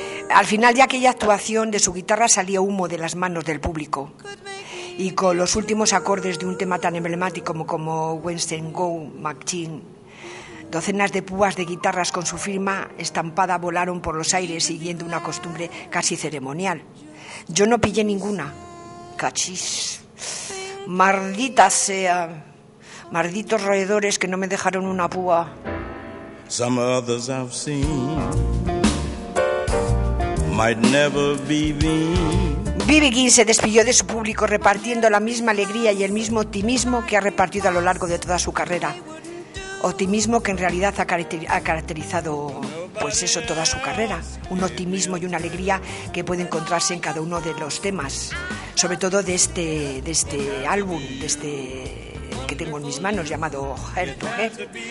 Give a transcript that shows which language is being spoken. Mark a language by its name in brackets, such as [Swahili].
[Spanish] Al final de aquella actuación, de su guitarra salía humo de las manos del público, y con los últimos acordes de un tema tan emblemático como Wednesday Go McGee, docenas de púas de guitarras con su firma estampada volaron por los aires siguiendo una costumbre casi ceremonial. Yo no pillé ninguna. Cachis. Maldita sea. Malditos roedores que no me dejaron una púa. [English] Some others I've seen might never be me. [Spanish] B.B. King se despidió de su público repartiendo la misma alegría y el mismo optimismo que ha repartido a lo largo de toda su carrera. Optimismo que en realidad ha caracterizado, pues eso, toda su carrera. Un optimismo y una alegría que puede encontrarse en cada uno de los temas, sobre todo de este álbum, de este que tengo en mis manos, llamado Heart to Heart.